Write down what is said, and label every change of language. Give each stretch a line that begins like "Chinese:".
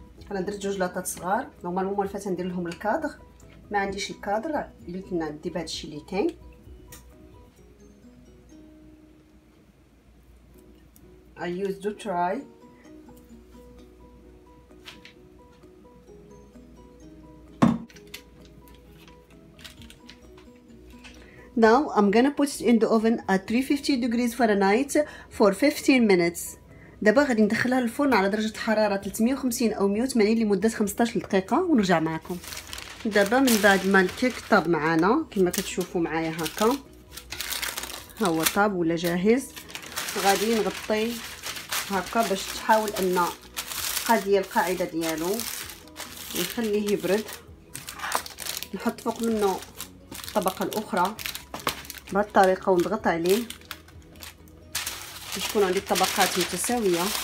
Arabic: انا درت جوج لاطات صغار، نورمالمون ملفات ندير لهم الكادر، ما عنديش الكادر قلت لنا ندي بهذا الشيء اللي كاين.
English: I use to try now I'm gonna put it in the oven at 350 degrees Fahrenheit for 15 minutes.
Arabic: دابا غادي ندخلها للفرن على درجة حرارة 350 أو 180 لمدة 15 دقيقة ونرجع معكم. دابا من بعد ما الكيك طاب معانا كما كتشوفوا معايا هكا، ها هو طاب ولا جاهز، غادي نغطي هكا باش تحاول ان هذه هي القاعده ديالو، نخليه يبرد، نحط فوق منه الطبقه الاخرى بهذه الطريقه ونضغط عليه باش تكون عندي الطبقات متساويه.